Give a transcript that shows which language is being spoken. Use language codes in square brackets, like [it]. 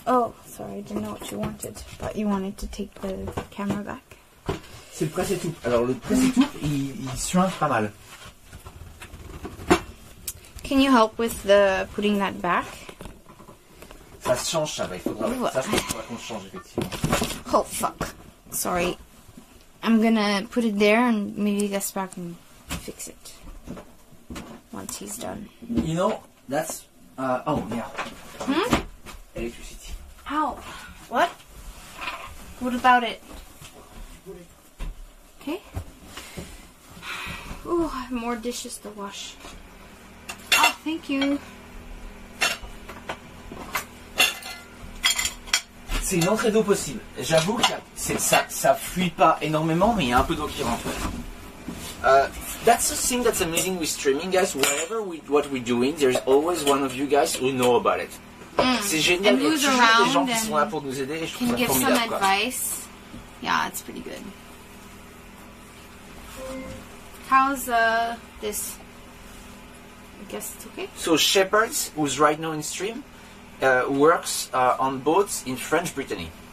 [en] Oh, sorry, I didn't know what you wanted. But you wanted to take the camera back. [fr] C'est le presse-étoupe. Alors, le presse-étoupe, il suinte pas mal. [en] Can you help with the putting that back? [fr] Ça se change, ça va. Il faudra qu'on change, effectivement. [en] Oh fuck. Sorry. I'm gonna put it there and maybe Gaspar can fix it. Once he's done. You know, that's. Oh, yeah. Hmm? Electricity. How? What? What about it? Okay. Ooh, I have more dishes to wash. Oh, thank you. [fr] C'est une entrée d'eau possible. J'avoue que ça fuit pas énormément, mais il y a un peu d'eau qui rentre. [en] That's a thing that's amazing with streaming, guys. Whatever we're doing, there's always one of you guys who know about it. [fr] C'est génial. Il y a toujours des gens qui sont là pour nous aider. Et je trouve ça formidable. [en] Can give some advice. Yeah, it's pretty good. How's this? I guess it's okay. So Shepherds, who's right now in stream. Works on boats in French Brittany.